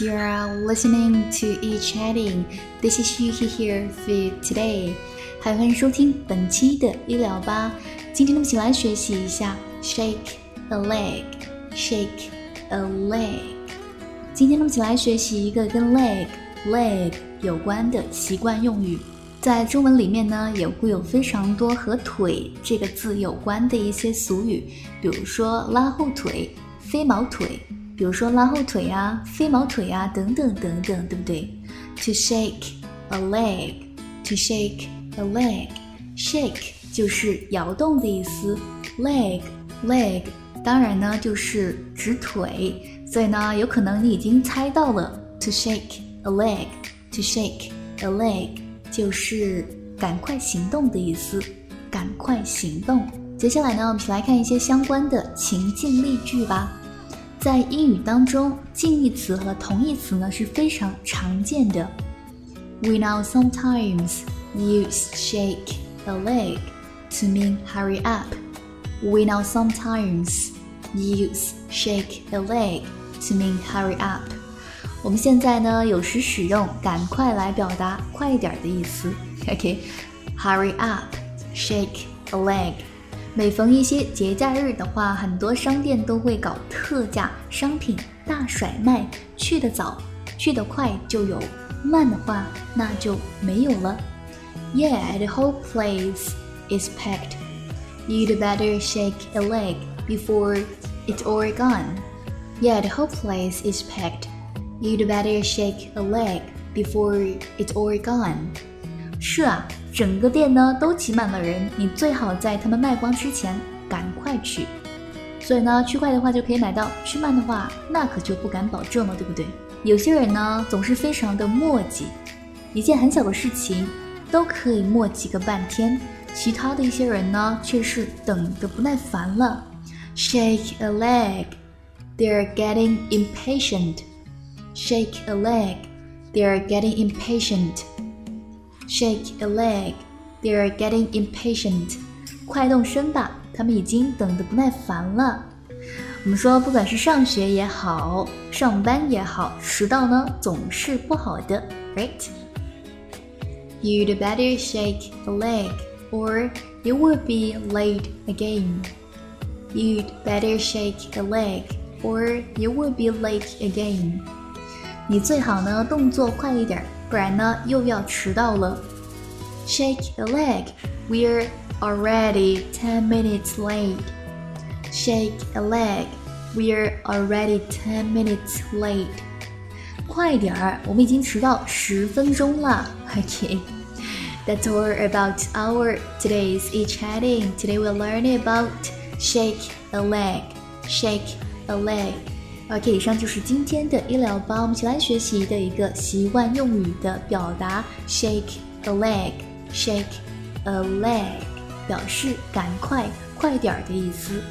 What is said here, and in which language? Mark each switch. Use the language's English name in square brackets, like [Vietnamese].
[English] You are listening to eChatting. This is Yuki here for today. [Chinese] 欢迎收听本期的医疗吧。今天我们一起来学习一下 [English] shake a leg, shake a leg. [Chinese] 今天我们一起来学习一个跟 leg 有关的习惯用语。在中文里面呢，也会有非常多和腿这个字有关的一些俗语，比如说拉后腿、飞毛腿。比如说拉后腿啊、飞毛腿啊等等等等，对不对？ [English] To shake a leg, to shake a leg. [Chinese] Shake 就是摇动的意思， leg 当然呢就是指腿，所以呢有可能你已经猜到了， [English] to shake a leg, [Chinese] to shake a leg 就是赶快行动的意思，赶快行动。接下来呢，我们一起来看一些相关的情境例句吧。在英语当中，近义词和同义词呢是非常常见的。 [English] We now sometimes use shake a leg to mean hurry up. We now sometimes use shake a leg to mean hurry up. [Chinese] 我们现在呢有时使用赶快来表达快一点的意思。 [English] OK, hurry up, shake a leg. [Chinese] 每逢一些节假日的话，很多商店都会搞特价，商品大甩卖，去得早去得快就有，慢的话那就没有了。 [English] Yeah, the whole place is packed. You'd better shake a leg before it's all gone. Yeah, the whole place is packed. You'd better shake a leg before it's all gone. [Chinese] 是啊，整个店呢都挤满了人，你最好在他们卖光之前赶快去。所以呢，去快的话就可以买到，去慢的话那可就不敢保证了，对不对？有些人呢总是非常的磨叽，一件很小的事情都可以磨叽个半天，其他的一些人呢却是等得不耐烦了。 [English] Shake a leg, they're getting impatient. Shake a leg, they're getting impatientShake a leg, they're getting impatient. [Chinese] 快动身吧，他们已经等得不耐烦了。我们说不管是上学也好，上班也好，迟到呢总是不好的， [English] right? You'd better shake a leg, or you will be late again. You'd better shake a leg, or you will be late again. [Chinese] 你最好呢动作快一点，不然呢又要迟到了。 [English] Shake a leg, we're already 10 minutes late. Shake a leg, we're already 10 minutes late. [Chinese] 快点儿，我们已经迟到十分钟了。 [English] Okay, that's all about our today's e-chatting. Today we'll learn about shake a leg, shake a leg. [Chinese] OK, 以上就是今天的医疗吧，我们一起来学习的一个习惯用语的表达 [English] shake a leg, shake a leg, [Chinese] 表示赶快快点的意思。